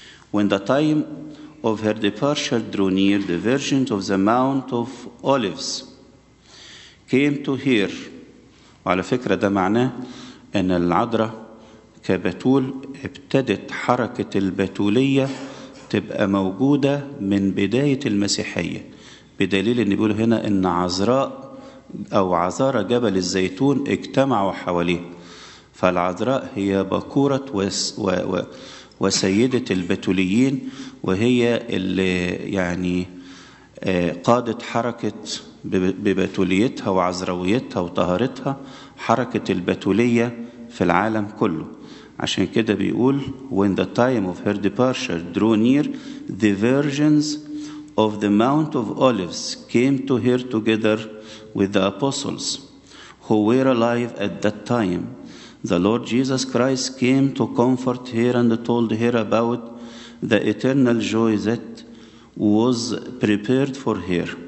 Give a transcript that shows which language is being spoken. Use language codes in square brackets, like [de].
[en] When the time of her departure drew near, the Virgin of the Mount of Olives came to her. [ar] وعلى فكرة ده معناه أن العذراء كبتول ابتدت حركة البتولية تبقى موجودة من بداية المسيحية، بدليل أن بيقول هنا أن عذراء أو عذارة جبل الزيتون اجتمعوا حواليه، فالعذراء هي بكورة وسيدة البتوليين، وهي اللي يعني قادت حركة ببتوليتها وعذراويتها وطهارتها حركة البتولية في العالم كله. عشان كده بيقول [en] when the time of her departure drew near, the virgins of the Mount of Olives came to her together with the apostles who were alive at that time. The Lord Jesus Christ came to comfort her and told her about the eternal joy that was prepared for her.